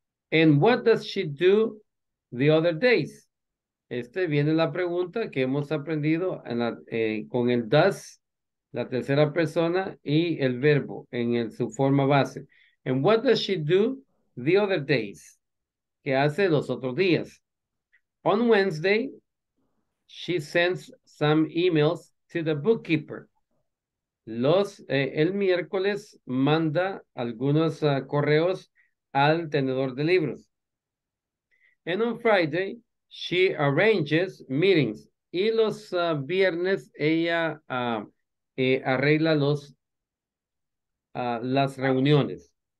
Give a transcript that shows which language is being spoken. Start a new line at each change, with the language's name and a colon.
English: And what does she do the other days?
Spanish: Este viene la pregunta que hemos aprendido en con el does, la tercera persona y el verbo en su forma base.
English: And what does she do the other days?
Spanish: ¿Qué hace los otros días?
English: On Wednesday, she sends some emails to the bookkeeper.
Spanish: El miércoles manda algunos correos al tenedor de libros.
English: And on Friday, she arranges meetings.
Spanish: Y los viernes, ella arregla las reuniones.